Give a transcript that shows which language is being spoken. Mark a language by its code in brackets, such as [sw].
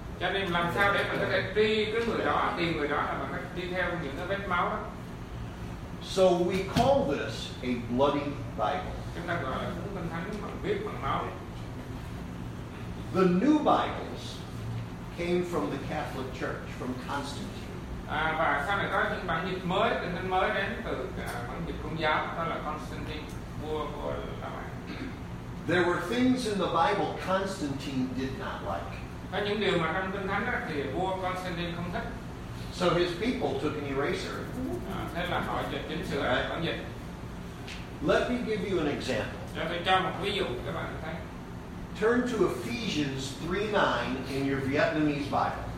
[vi] Cho nên làm sao để mà có thể đi cái người đó, tìm người đó là bằng cách đi theo những cái vết máu đó. [en] So we call this a bloody Bible. [vi] Chúng ta gọi là cuốn kinh thánh bằng huyết, bằng máu. [en] The new Bibles came from the Catholic Church, from Constantine. [vi] Và sau này có những bản dịch mới, kinh thánh mới đến từ bản dịch Công giáo, đó là Constantine, vua của La Mã. [en] There were things in the Bible Constantine did not like. [vi] Có những điều mà trong kinh thánh đó thì vua Constantine không thích. [en] So his people took an eraser. [vi] Thế là họ dịch chỉnh sửa lại bản dịch. [en] Let me give you an example. [vi] Cho tôi cho một ví dụ các bạn thấy. [en] Turn to Ephesians 3:9 in your Vietnamese Bible.